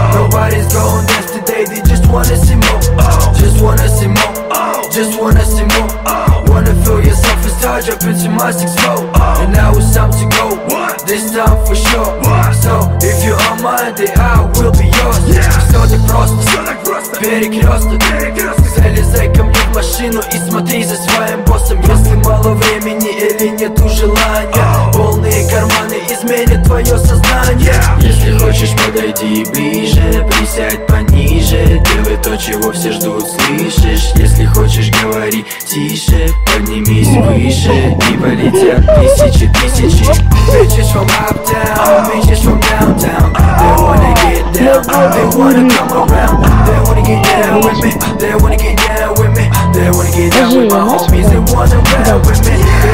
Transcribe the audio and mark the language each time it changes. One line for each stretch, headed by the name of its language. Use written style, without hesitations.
English: Nobody's going dance today, they just wanna see more. Just wanna see more, just wanna see more. Wanna feel yourself and start jumping to my six flow. And now it's time to go, this time for sure. So if you're on my day, I will be yours. So the process, перекрёсток.
Russian: Залезай ко мне в машину и смотри за своим боссом. Если мало времени или нету желания, полные карманы изменят твое сознание. Если хочешь, подойди ближе, присядь пониже. Делай то, чего все ждут, слышишь? Если хочешь, говори тише, поднимись выше. И полетят тысячи, тысячи.
English: Bitches from uptown, bitches from downtown. They wanna get down, they wanna come around. They wanna get down with me, they wanna get down with me. They wanna get down with my homies, they wanna ride with me.